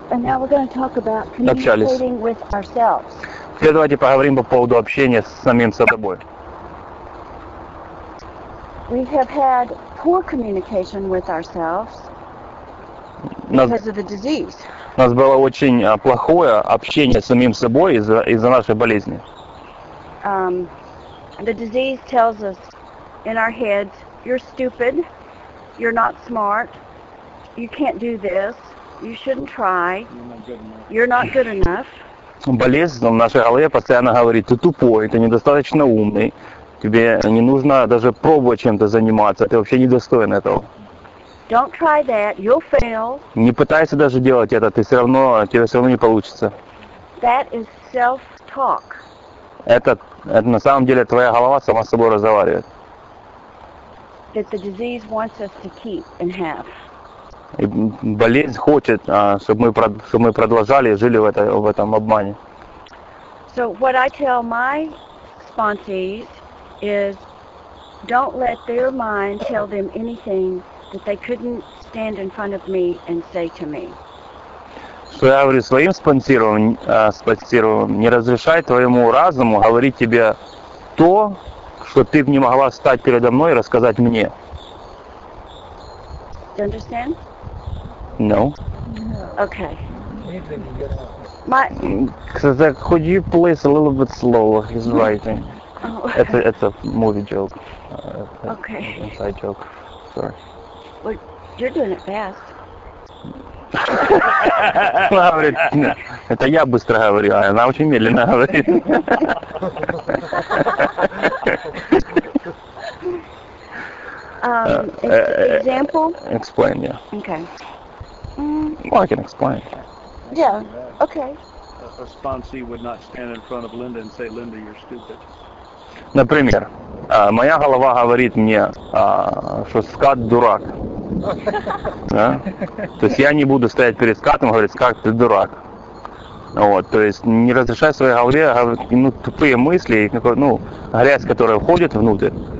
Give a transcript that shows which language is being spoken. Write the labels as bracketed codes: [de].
[en] And now we're going to talk about communicating with ourselves. [ru] Теперь давайте поговорим по поводу общения с самим собой. [en] We have had poor communication with ourselves because of the disease. [ru] У нас было очень плохое общение с самим собой из-за нашей болезни. [en] The disease tells us in our heads, you're stupid, you're not smart, you can't do this, you shouldn't try, you're not good enough. [ru] Болезнь в нашей голове постоянно говорит, ты тупой, ты недостаточно умный, тебе не нужно даже пробовать чем-то заниматься, ты вообще недостоин этого. [en] Don't try that, you'll fail. [ru] Не пытайся даже делать это, тебе все равно не получится. [en] That is self-talk. [ru] Это на самом деле твоя голова сама с собой разговаривает. [en] That the disease wants us to keep and have. [ru] И болезнь хочет, чтобы мы продолжали и жили в этом обмане. [en] So what I tell my sponsees is, don't let their mind tell them anything that they couldn't stand in front of me and say to me. [ru] Что я говорю своим спонсированным, не разрешай твоему разуму говорить тебе то, что ты бы не могла встать передо мной и рассказать мне. [en] Do you understand? No. Okay. Because could you please a little bit slower his writing? Oh. It's a movie joke. Okay. Inside joke. Sorry. Well, you're doing it fast. [ru] Она говорит, это я быстро говорю, а она очень медленно говорит. [en] Example? Explain, yeah. Okay. Well, I can explain. Yeah, okay. A sponsee would not stand in front of Linda and say, Linda, you're stupid. [ru] Например, моя голова говорит мне, что Скат дурак. Да? То есть я не буду стоять перед Скатом и говорить, Скат, ты дурак. Вот, то есть не разрешай своей голове тупые мысли, грязь, которая входит внутрь.